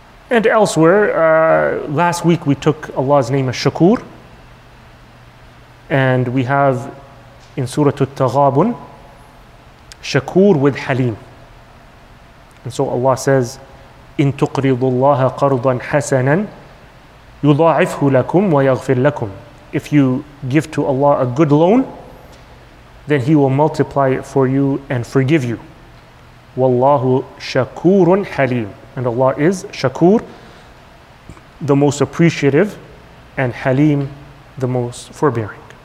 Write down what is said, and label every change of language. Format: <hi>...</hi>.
<en>And elsewhere, last week we took Allah's name Ash-Shakur, and we have in Surah At-Taghabun, Shakur with حَلِيم. And so Allah says,</en> <ar>إِن تُقْرِضُ اللَّهَ قَرْضًا حَسَنًا يُضَاعِفْهُ لَكُمْ وَيَغْفِرْ لَكُمْ.</ar> <en>If you give to Allah a good loan, then He will multiply it for you and forgive you.</en> <ar>Wallahu shakurun halim.</ar> <en>And Allah is shakur, the most appreciative, and halim, the most forbearing.</en>